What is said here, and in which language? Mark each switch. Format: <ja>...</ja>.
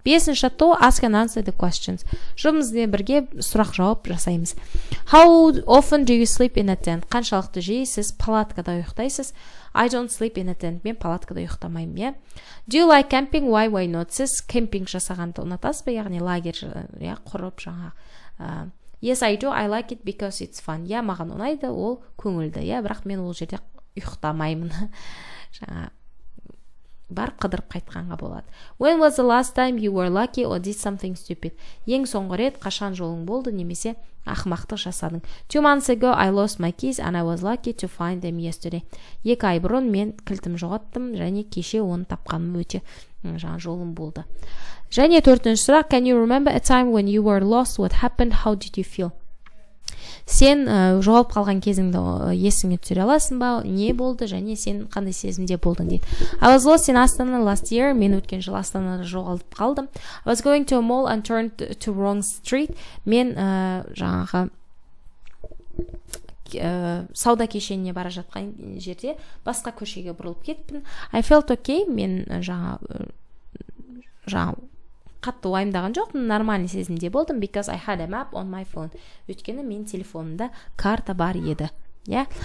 <kk>Бесінші то,</kk> <en>ask and answer the questions.</en> <kk>Жұмызды бірге сұрақ жауап жасаймыз.</kk> <en>How often do you sleep in a tent?</en> <kk>Қаншалықты жей сіз палаткада ұйықтайсыз?</kk> <en>I don't sleep in a tent.</en> <kk>Мен палаткада ұйықтамаймын, иә.</kk> <en>Do you like camping? Why not?</en> <kk>Сіз кемпинг жасағанды ұнатасыз ба? Яғни лагерь құрып жаңағы.</kk> <en>Yes, I do. I like it because it's fun.</en> <kk>Yeah, маған ұнайды, ол көңілді. Yeah, бірақ мен ол жерде ұйықтамаймын. Бар қыдырып қайтқанға болады.</kk> <en>When was the last time you were lucky or did something stupid?</en> <kk>Ең соңғы рет қашан жолың болды, немесе ақымақтық жасадың?</kk> <en>2 months ago, I lost my keys and I was lucky to find them yesterday.</en> <kk>2 ай бұрын мен кілтім жоғаттым, және кеше оны тапқаным өте жаңа жолым болды. Және төртінші сұрақ,</kk> <en>can you remember a time when you were lost? What happened? How did you feel?</en> <kk>Сен жоғалып қалған кезіңді есіңе түсіре аласың ба? Не болды? Және сен қандай сезімде болдың, дейді.</kk> <en>I was lost in Astana last year.</en> <kk>Мен өткен жылы Астанада жоғалып қалдым.</kk> <en>I was going to a mall and turned to wrong street.</en> <kk>Мен жаңағы сауда кешеніне бара жатқан жерде басқа көшеге бұрылып кетіппін.</kk> <en>I felt okay.</en> <kk>Мен жаңа қатты уайымдаған жоқ, нормальный сезімде болдым,</kk> <en>because I had a map on my phone.</en> <kk>Өйткені мен телефонымда карта бар еді, Иә.</kk>